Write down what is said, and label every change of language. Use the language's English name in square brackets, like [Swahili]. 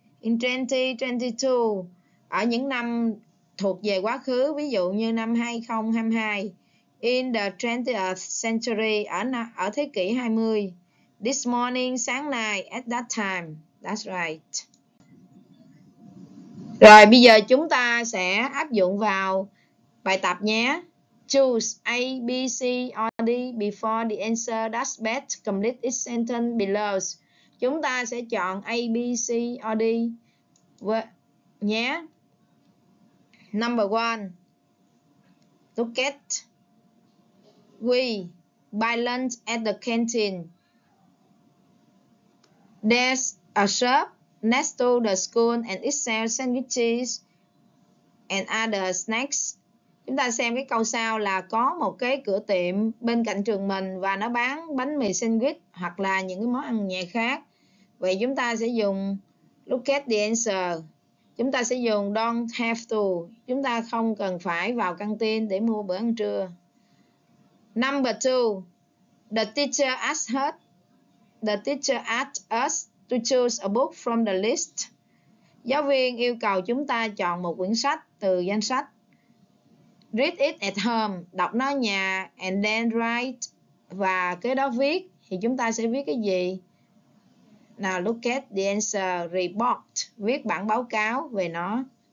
[English] In 2022, [Vietnamese] ở những năm thuộc về quá khứ, ví dụ như năm 2022. [English] In the 20th century, [Vietnamese] ở thế kỷ 20. [English] This morning, [Vietnamese] sáng nay, [English] at that time. That's right. [Vietnamese] Rồi, bây giờ chúng ta sẽ áp dụng vào bài tập nhé. [English] Choose A, B, C, or D before the answer that's best. Complete each sentence below. [Vietnamese] Chúng ta sẽ chọn A, B, C, or D nhé. [English] Number one, look at. We buy lunch at the canteen. There's a shop next to the school and it sells sandwiches and other snacks. [Vietnamese] Chúng ta xem cái câu sau là có một cái cửa tiệm bên cạnh trường mình và nó bán bánh mì sandwich hoặc là những cái món ăn nhẹ khác. Vậy chúng ta sẽ dùng [English] look at the answer. [Vietnamese] Chúng ta sẽ dùng [English] don't have to. [Vietnamese] Chúng ta không cần phải vào căng tin để mua bữa ăn trưa. [English] Number two, the teacher asked us. The teacher asked us to choose a book from the list. [Vietnamese] Giáo viên yêu cầu chúng ta chọn một quyển sách từ danh sách. [English] Read it at home, [Vietnamese] đọc nó ở nhà, [English] and then write. [Vietnamese] Và cái đó viết, thì chúng ta sẽ viết cái gì? [English] Now look at the answer, report, [Vietnamese] viết bản báo cáo về nó.